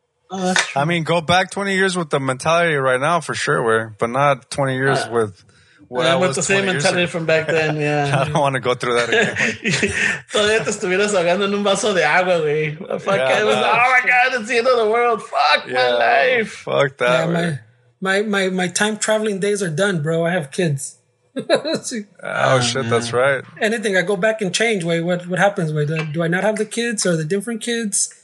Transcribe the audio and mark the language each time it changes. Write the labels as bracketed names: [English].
[English] I mean, go back 20 years with the mentality right now for sure, where, but not 20 years with what I was the same mentality ago. From back then. Yeah, I don't want to go through that again. [Spanish] Todavía estuvieras ahogando en un vaso de agua, güey. [English] Fuck, yeah, it was, oh my god, it's the end of the world. Fuck my life. Fuck that. Yeah, man. My time traveling days are done, bro. I have kids. Oh, oh shit, man. That's right. Anything, I go back and change. Wait, what happens? Wait, do I not have the kids or the different kids?